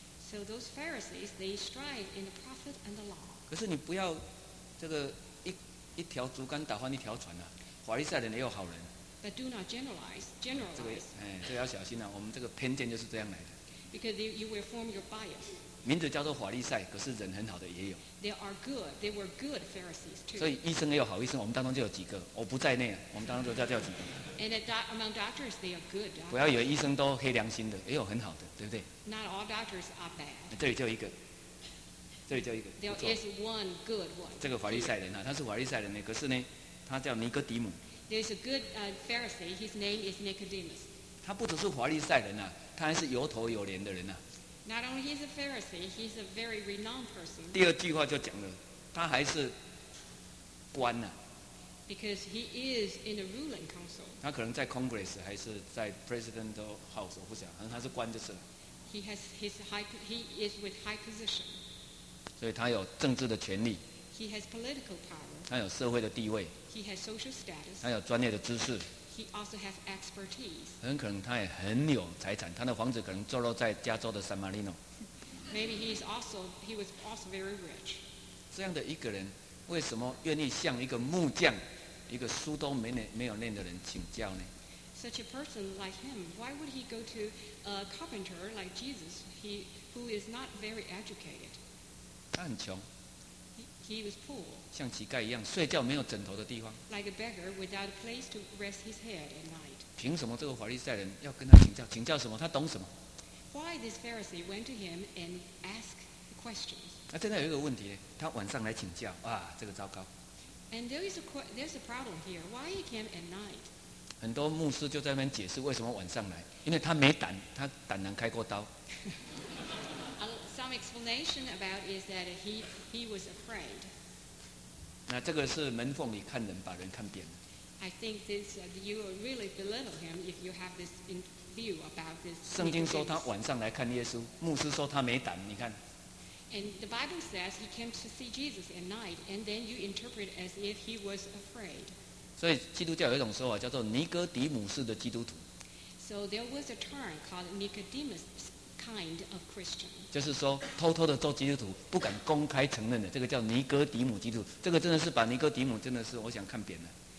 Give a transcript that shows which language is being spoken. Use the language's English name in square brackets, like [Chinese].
[English] So those Pharisees, they strive in the prophet and the law. [Chinese] 可是你不要这个一条竹竿打翻一条船啊，法利赛人也有好人。 [English] But do not generalize. [Chinese] 这个哎，这个要小心啊，我们这个偏见就是这样来的。 [English] Because you will form your bias. [Chinese] 名字叫做法利赛，可是人很好的也有。 [English] There are good. They were good Pharisees too. [Chinese] 所以医生也有好医生，我们当中就有几个，我不在内，我们当中就有几个。 [English] And among doctors, they are good doctors. [Chinese] 不要以为医生都黑良心的，也有很好的，对不对 [English] ？Not all doctors are bad. [Chinese] 这里就一个。这里叫一个 [English] There is one good one. [Chinese] 这个法利赛人啊，他是法利赛人呢，可是呢，他叫尼哥底母。 [English] There is a good Pharisee. His name is Nicodemus. [Chinese] 他不只是法利赛人啊，他还是有头有脸的人啊。 [English] Not only he's a Pharisee, he's a very renowned person. [Chinese] 第二句话就讲了，他还是官啊。 [English] Because he is in the ruling council. [Chinese] 他可能在 Congress 还是在 Presidential House， 我不晓得，反正他是官就是了。 [English] He is with high position. [Chinese] 所以他有政治的权利， [English] He has political power. [Chinese] 他有社会的地位， [English] He has social status. [Chinese] 他有专业的知识， [English] He also has expertise. [Chinese] 很可能他也很有财产，他的房子可能坐落在加州的 San Marino。 [English] Maybe he was also very rich. [Chinese] 这样的一个人为什么愿意向一个木匠，一个书都没有念的人请教呢？ [English] Such a person like him, why would he go to a carpenter like Jesus, who is not very educated? [Chinese] 他很穷， [English] he was poor. [Chinese] 像乞丐一样，睡觉没有枕头的地方。 [English] Like a beggar without a place to rest his head at night. [Chinese] 凭什么这个法利赛人要跟他请教？请教什么？他懂什么 [English] ？Why this Pharisee went to him and asked questions？ [Chinese] 那现在有一个问题呢，他晚上来请教，啊，这个糟糕。 [English] And there's a problem here. Why he came at night？ [Chinese] 很多牧师就在那边解释为什么晚上来，因为他没胆，他胆囊开过刀。 [English] Some explanation about is that he was afraid. [Chinese] 那这个是门缝里看人，把人看扁了。 [English] I think this you really belittle him if you have this in view about this. [Chinese] 圣经说他晚上来看耶稣，牧师说他没胆。你看。 [English] And the Bible says he came to see Jesus at night, and then you interpret as if he was afraid. [Chinese] 所以基督教有一种说法叫做尼哥底母式的基督徒。 [English] So there was a term called Nicodemus. Kind of Christian. [Chinese] 就是说偷偷的做基督徒不敢公开承认的，这个叫尼哥底母基督徒，这个真的是把尼哥底母真的是我想看扁了。